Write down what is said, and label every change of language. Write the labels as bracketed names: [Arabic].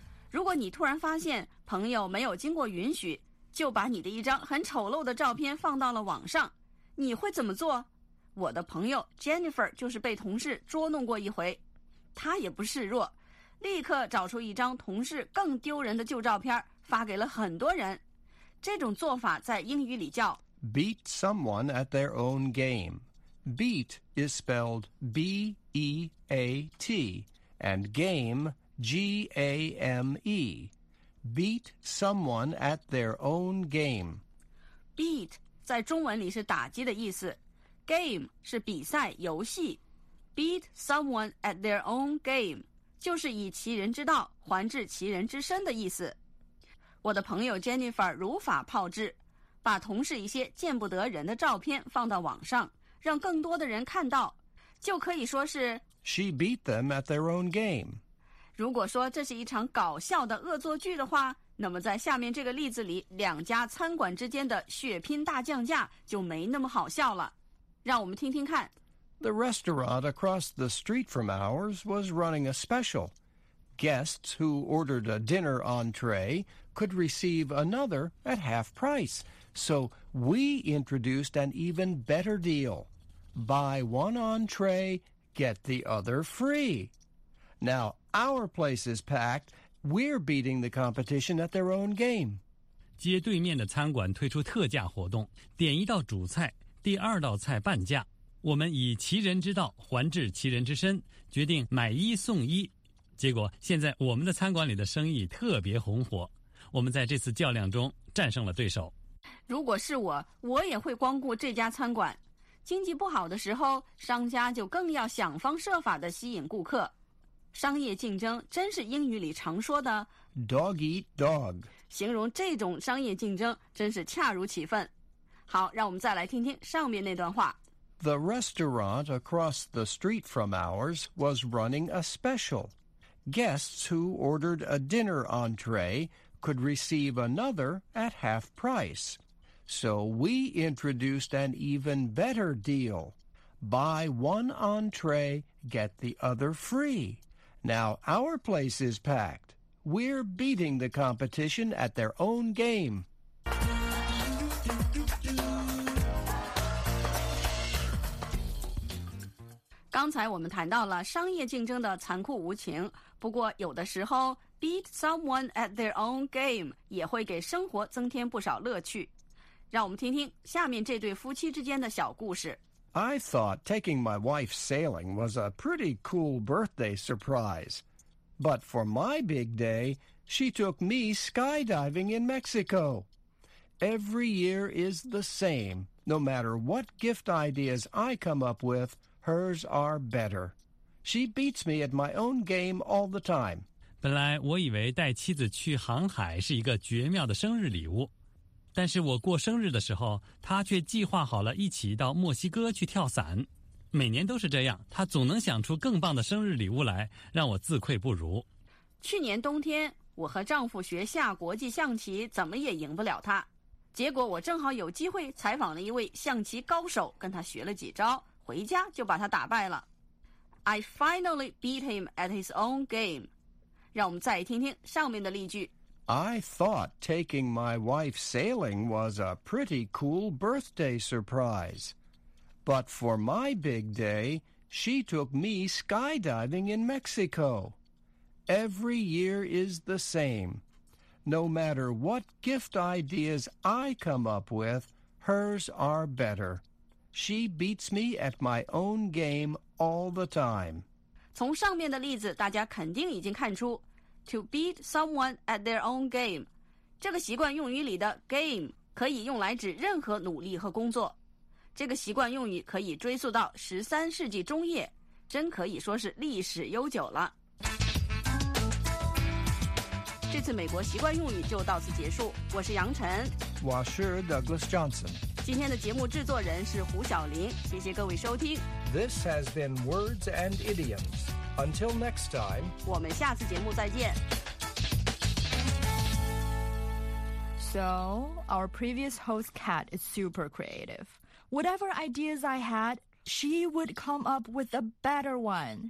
[Chinese] 如果你突然发现朋友没有经过允许就把你的一张很丑陋的照片放到了网上，你会怎么做？我的朋友 Jennifer 就是被同事捉弄过一回，她也不示弱，立刻找出一张同事更丢人的旧照片发给了很多人。这种做法在英语里叫 [English] Beat someone at their own game. Beat is spelled B-E-A-T and game G-A-M-E. Beat someone at their own game. [Chinese] Beat 在中文里是打击的意思，Game 是比赛游戏， Beat someone at their own game 就是以其人之道还治其人之身的意思。我的朋友 Jennifer 如法炮制，把同事一些见不得人的照片放到网上让更多的人看到，就可以说是 [English] She beat them at their own game。 [Chinese] 如果说这是一场搞笑的恶作剧的话，那么在下面这个例子里，两家餐馆之间的血拼大降价就没那么好笑了。让我们听听看。 [English] The restaurant across the street from ours was running a special. Guests who ordered a dinner entree could receive another at half price. So we introduced an even better deal. Buy one entree, get the other free. Now our place is packed. We're beating the competition at their own game. [Chinese] 街对面的餐馆推出特价活动，点一道主菜第二道菜半价，我们以其人之道还治其人之身，决定买一送一。结果现在我们的餐馆里的生意特别红火，我们在这次较量中战胜了对手。如果是我，我也会光顾这家餐馆。经济不好的时候，商家就更要想方设法地吸引顾客。商业竞争真是英语里常说的 [English] dog eat dog， [Chinese] 形容这种商业竞争真是恰如其分。好，让我们再来听听上面那段话。 [English] The restaurant across the street from ours was running a special. Guests who ordered a dinner entree could receive another at half price. So we introduced an even better deal. Buy one entree, get the other free. Now our place is packed. We're beating the competition at their own game. [Chinese] 刚才我们谈到了商业竞争的残酷无情，不过有的时候 beat someone at their own game 也会给生活增添不少乐趣。让我们听听下面这对夫妻之间的小故事。 [English] I thought taking my wife sailing was a pretty cool birthday surprise. But for my big day, she took me skydiving in Mexico. Every year is the same. No matter what gift ideas I come up withHers are better. She beats me at my own game all the time. [Chinese] 本来我以为带妻子去航海是一个绝妙的生日礼物，但是我过生日的时候，她却计划好了一起到墨西哥去跳伞。每年都是这样，他总能想出更棒的生日礼物来，让我自愧不如。去年冬天，我和丈夫学下国际象棋，怎么也赢不了他。结果我正好有机会采访了一位象棋高手，跟他学了几招，回家就把他打败了。 [English] I finally beat him at his own game. [Chinese] 让我们再听听上面的例句。 [English] I thought taking my wife sailing was a pretty cool birthday surprise. But for my big day, she took me skydiving in Mexico. Every year is the same. No matter what gift ideas I come up with, hers are better. She beats me at my own game all the time. [Chinese] 从上面的例子，大家肯定已经看出 [English] To beat someone at their own game. [Chinese] 这个习惯用语里的 game 可以用来指任何努力和工作。这个习惯用语可以追溯到13世纪中叶，真可以说是历史悠久了。这次美国习惯用语就到此结束。我是杨晨。我是 Douglas Johnson。今天的节目制作人是胡晓林。谢谢各位收听。 [English] This has been Words and Idioms. Until next time, [Chinese] 我们下次节目再见。 [English] So, our previous host Kat is super creative. Whatever ideas I had, she would come up with a better one.